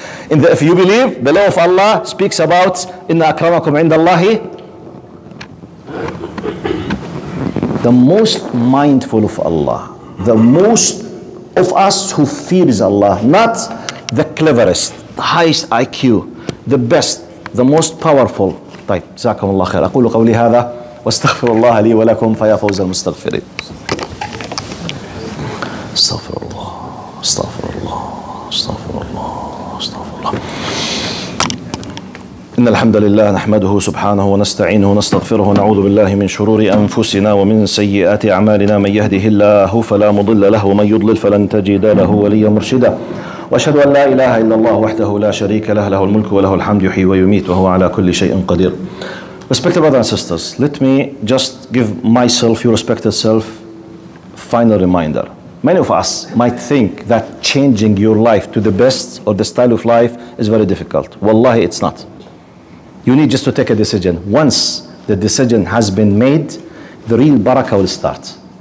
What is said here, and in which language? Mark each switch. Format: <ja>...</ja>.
<en>In the, if you believe, the law of Allah speaks about</en> <ar>inna akramakum inda Allahi.</ar> <en>The most mindful of Allah, the most of us who fears Allah, not the cleverest, the highest IQ, the best, the most powerful.</en> <ar>طيب جزاكم الله خير. أقول قولي هذا واستغفر الله لي ولكم فيا فوز المستغفرين. استغفر الله استغفر الله استغفر الله استغفر الله. إن الحمد لله نحمده سبحانه ونستعينه ونستغفره ونعوذ بالله من شرور أنفسنا ومن سيئات أعمالنا. من يهده الله فلا مضل له ومن يضلل فلن تجد له وليا مرشدا. وأشهد أن لا إله إلا الله وحده لا شريك له, له الملك وله الحمد يحيي ويميت وهو على كل شيء قدير.</ar> <en>Respected brothers and sisters, let me just give myself, your respected self, final reminder. Many of us might think that changing your life to the best or the style of life is very difficult. Wallahi, it's not. You need just to take a decision. Once the decision has been made, the real barakah will start.</en>